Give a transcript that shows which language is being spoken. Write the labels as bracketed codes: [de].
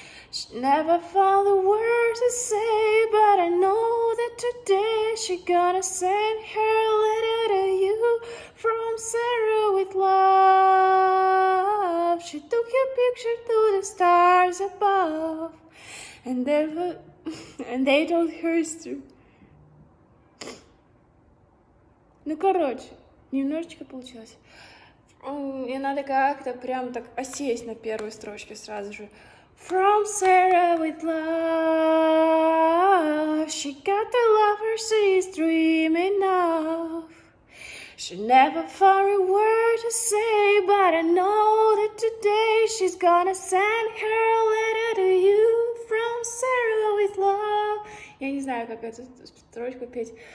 [en] She never found the words to say, but I know that today she gonna send her letter to you. From Sarah with love, she took your picture to the stars above, and they told her it's true. [ru] Ну, короче, немножечко получилось. И надо как-то прям так осесть на первой строчке сразу же. [en] From Sarah with love, she got the lover she's dreaming of. She never found a word to say, but I know that today she's gonna send her a letter to you. From Sarah with love. [ru] Я не знаю, как эту строчку петь.